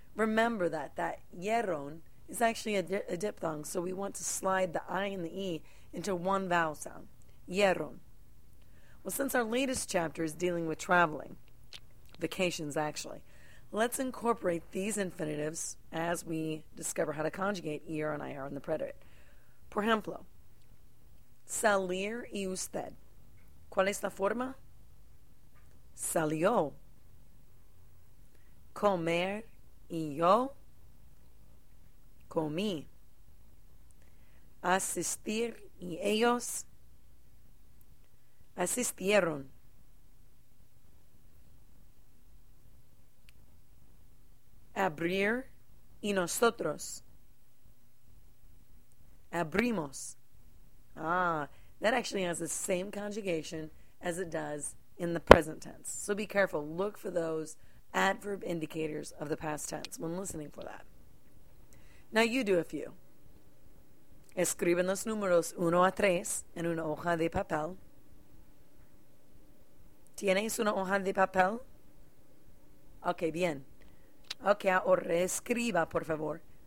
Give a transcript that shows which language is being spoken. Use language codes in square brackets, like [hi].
[en] Remember that hieron is actually a diphthong, so we want to slide the I and the E into one vowel sound. Hieron. Well, since our latest chapter is dealing with traveling, vacations actually, let's incorporate these infinitives as we discover how to conjugate ir and ir in the preterite. [es] Por ejemplo, salir y usted. ¿Cuál es la forma? Salió. Comer y yo. Comí. Asistir y ellos. Asistieron. Abrir y nosotros. Abrimos. [en] Ah, that actually has the same conjugation as it does in the present tense. So be careful. Look for those adverb indicators of the past tense when listening for that. Now you do a few. [es] Escriben los números 1 a 3 en una hoja de papel. ¿Tienes una hoja de papel? Okay, bien. Okay, ahora escriba, por favor.